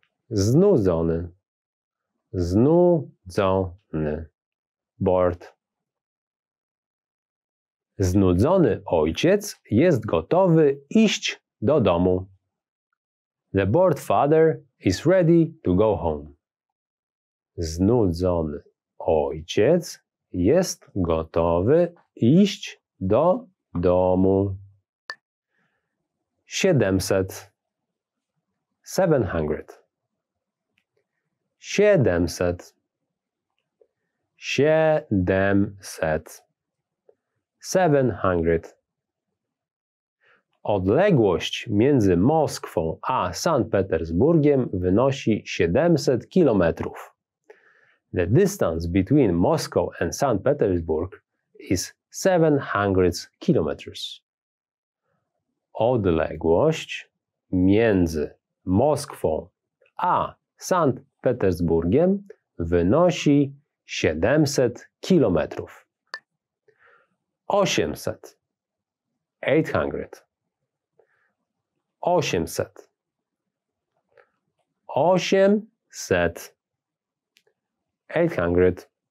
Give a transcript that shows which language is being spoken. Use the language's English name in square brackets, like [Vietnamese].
[Polish] Znudzony. Znudzony. [English] Bored. [Polish] Znudzony ojciec jest gotowy iść do domu. [English] The bored father is ready to go home. [Polish] Znudzony ojciec jest gotowy iść do domu. 700. 700. 700. 700. 700. Odległość między Moskwą a Sankt Petersburgiem wynosi 700 kilometrów. [English] The distance between Moscow and Sankt Petersburg is 700 kilometers. [Polish] Odległość między Moskwą a Sankt Petersburgiem wynosi 700 kilometrów. 800. 800. 800. 800. 800.